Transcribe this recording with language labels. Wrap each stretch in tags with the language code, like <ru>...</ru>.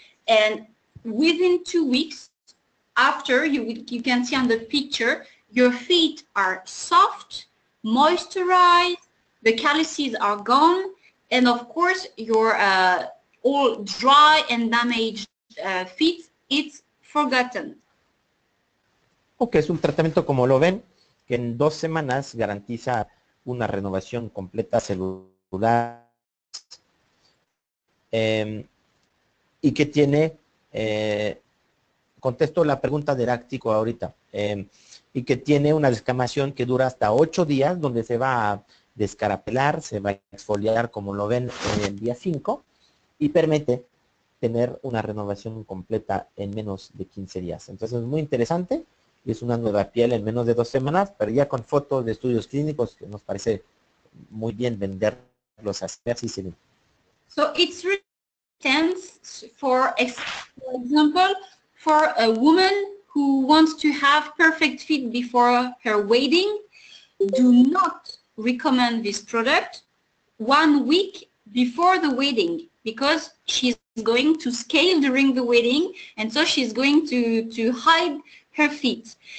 <en>And within 2 weeks after, you can see on the picture, your feet are soft, moisturized, the calluses are gone, and of course, your all dry and damaged feet, it's forgotten.</en> <es>Ok, es un tratamiento, como lo ven, que en 2 semanas garantiza una renovación completa celular y que tiene, contesto la pregunta de Heráctico ahorita, y que tiene una descamación que dura hasta 8 días, donde se va a descarapelar, se va a exfoliar, como lo ven, en el día 5, y permite tener una renovación completa en menos de 15 días. Entonces, es muy interesante. Y es una nueva piel en menos de 2 semanas, pero ya con fotos de estudios clínicos, que nos parece muy bien venderlos a Spersicil.</es> <en>So it's really intense for example, for a woman who wants to have perfect feet before her wedding, do not recommend this product 1 week before the wedding, because she's going to scale during the wedding, and so she's going to hide her feet.</en>